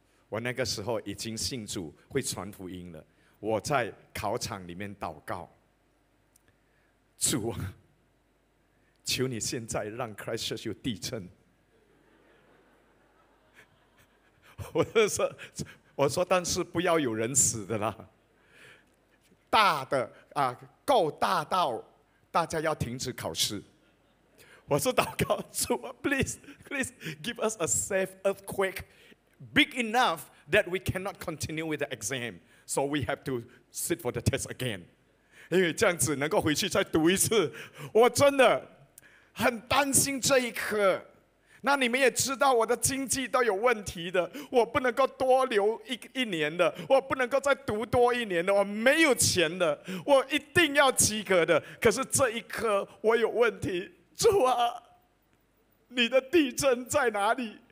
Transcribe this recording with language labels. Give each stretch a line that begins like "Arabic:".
Chinese: 我那个时候已经信主会传福音了，我在考场里面祷告，主啊，求你现在让 Christchurch 有地震。我就说，我说但是不要有人死的啦，大的啊，够大到大家要停止考试。我说祷告主
English: please please give us a safe earthquake big enough that we cannot continue with the exam so we have to sit for the test again，
Chinese: 因为这样子能够回去再读一次。我真的很担心这一科。那你们也知道我的经济都有问题的，我不能够多留 一年的，我不能够再读多一年的，我没有钱的，我一定要及格的。可是这一科我有问题，主啊，你的地震在哪里？